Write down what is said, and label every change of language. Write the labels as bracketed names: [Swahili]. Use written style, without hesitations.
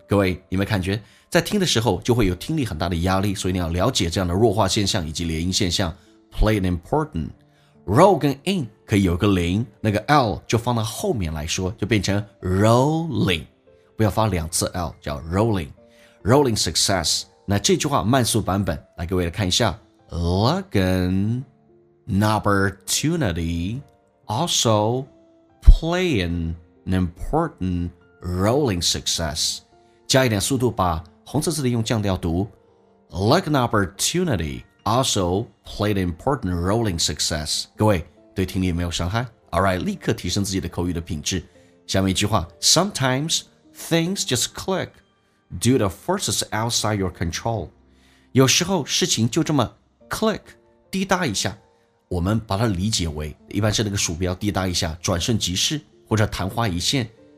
[Chinese] 各位有没有感觉在听的时候就会有听力很大的压力，所以你要了解这样的弱化现象以及连音现象。 [English] playin important。 [Chinese] role 跟 in可以有个零，那个 L 就放到后面来说，就变成 rolling， 不要发两次 L， 叫 rolling， [English] rolling success。 [Chinese] 那这句话慢速版本来各位来看一下。 [English] Luck and opportunity also play an important role in success， [Chinese] 加一点速度，把红色字的用降调读。 [English] Luck and opportunity also play an important role in success。 [Chinese] 各位对听力也没有伤害。Alright， 立刻提升自己的口语的品质。下面一句话， [English] Sometimes things just click due to forces outside your control， [Chinese] 有时候事情就这么 click 滴答一下，我们把它理解为一般是那个鼠标滴答一下，转瞬即逝或者昙花一现。